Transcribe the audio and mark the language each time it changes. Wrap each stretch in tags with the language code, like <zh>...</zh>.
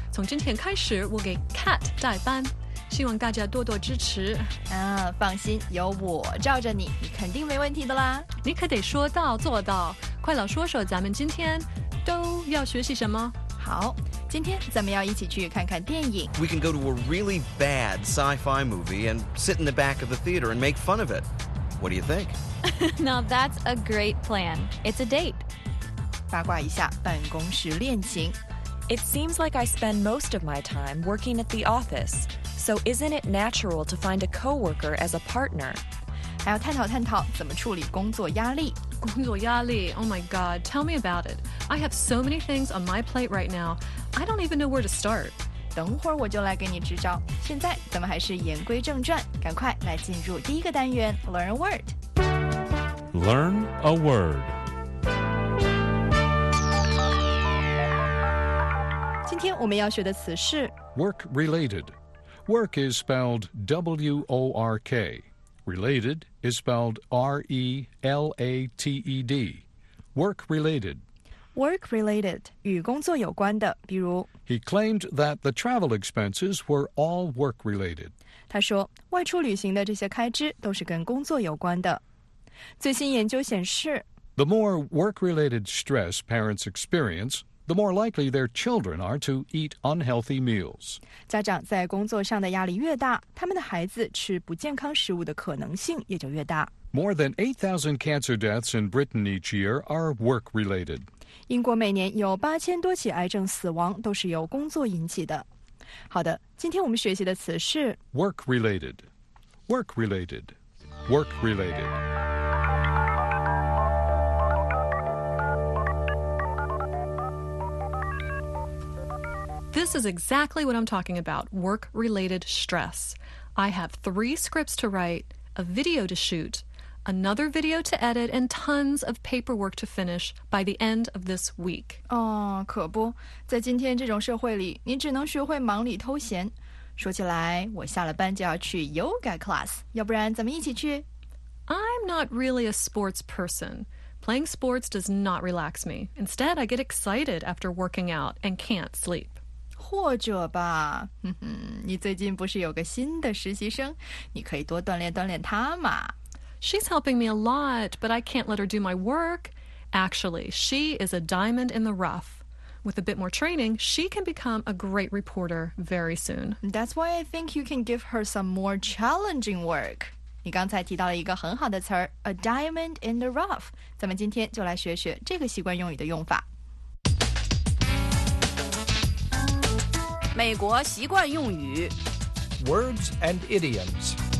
<zh>从今天开始，我给 Cat 带班，希望大家多多支持。啊，放心，有我罩着你，你肯定没问题的啦。你可得说到做到，快来说说咱们今天都要学习什么。好，今天咱们要一起去看看电影。</zh> <en>We can go to a really bad sci-fi movie and sit in the back of the theater and make fun of it. What do you think? Now that's a great plan. It's a date.</en> <zh>八卦一下办公室恋情。</zh> <en>It seems like I spend most of my time working at the office, so isn't it natural to find a coworker as a partner?</en> <zh>还要探讨探讨怎么处理工作压力。工作压力</zh> <en>Oh my god, tell me about it. I have so many things on my plate right now, I don't even know where to start.</en> <zh>等会儿我就来给你支招。现在咱们还是言归正传，赶快来进入第一个单元 Learn a Word。</zh> <en>Learn a Word。</en> <zh>今天我们要学的词是</zh> <en>Work related. Work is spelled W-O-R-K. Related is spelled R-E-L-A-T-E-D. Work related</en> <zh>Work related, 与工作有关的，比如</zh> <en>He claimed that the travel expenses were all work related.</en> <zh>他说，外出旅行的这些开支都是跟工作有关的。最新研究显示</zh> <en>The more work related stress parents experience, the more likely their children are to eat unhealthy meals.</en> <zh>家长在工作上的压力越大，他们的孩子吃不健康食物的可能性也就越大。</zh> <en>More than 8,000 cancer deaths in Britain each year are work related.</en> <zh>英国每年有8000多起癌症死亡都是由工作引起的。好的，今天我们学习的词是</zh> <en>Work related. Work related. Work related. This is exactly what I'm talking about. Work related stress. I have 3 scripts to write, a video to shoot,another video to edit, and tons of paperwork to finish by the end of this week.</en> <zh>哦，可不，在今天这种社会里，你只能学会忙里偷闲。说起来，我下了班就要去 yoga class, 要不然咱们一起去。</zh> <en>I'm not really a sports person. Playing sports does not relax me. Instead, I get excited after working out and can't sleep.</en> <zh>或者吧，你最近不是有个新的实习生，你可以多锻炼锻炼他嘛。</zh> <en>She's helping me a lot, but I can't let her do my work. Actually, she is a diamond in the rough. With a bit more training, she can become a great reporter very soon. That's why I think you can give her some more challenging work.</en> <zh>你刚才提到了一个很好的词儿</zh> <en>a diamond in the rough.</en> <zh>咱们今天就来学学这个习惯用语的用法。美国习惯用语</zh> <en>Words and idioms.</en>